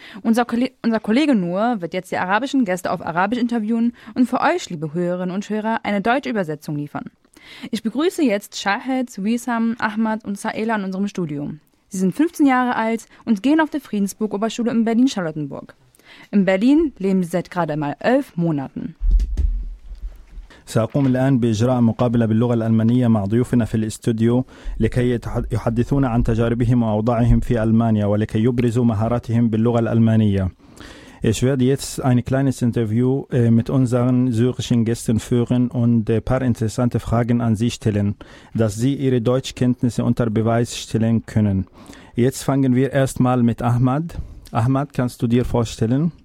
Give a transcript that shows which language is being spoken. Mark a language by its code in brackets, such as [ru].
[de] Unser Kollege Noor wird jetzt die arabischen Gäste auf Arabisch interviewen und für euch, liebe Hörerinnen und Hörer, eine deutsche Übersetzung liefern. Ich begrüße jetzt Shahed, Wissam, Ahmad und Saela in unserem Studio. Sie sind 15 Jahre alt und gehen auf der Friedensburg-Oberschule in Berlin-Charlottenburg. In Berlin leben sie seit gerade mal 11 Monaten. [ar] سأقوم الآن بإجراء مقابلة باللغة الألمانية مع ضيوفنا في الاستوديو لكي يحدثون عن تجاربهم وأوضاعهم في ألمانيا ولكي يبرزوا مهاراتهم باللغة الألمانية. [de] Ich werde jetzt ein kleines Interview mit unseren syrischen Gästen führen und ein paar interessante Fragen an Sie stellen, dass Sie Ihre Deutschkenntnisse unter Beweis stellen können. Jetzt fangen wir erstmal mit Ahmad. Ahmad, kannst du dir vorstellen?